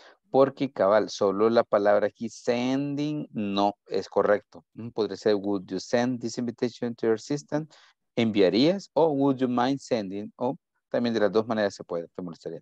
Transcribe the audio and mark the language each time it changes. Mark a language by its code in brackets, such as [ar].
[es] Porque cabal, solo la palabra aquí, sending, no es correcto. [en] Podría ser, would you send this invitation to your assistant? [es] ¿Enviarías? O [en] would you mind sending? [es] O también de las dos maneras se puede, te molestaría.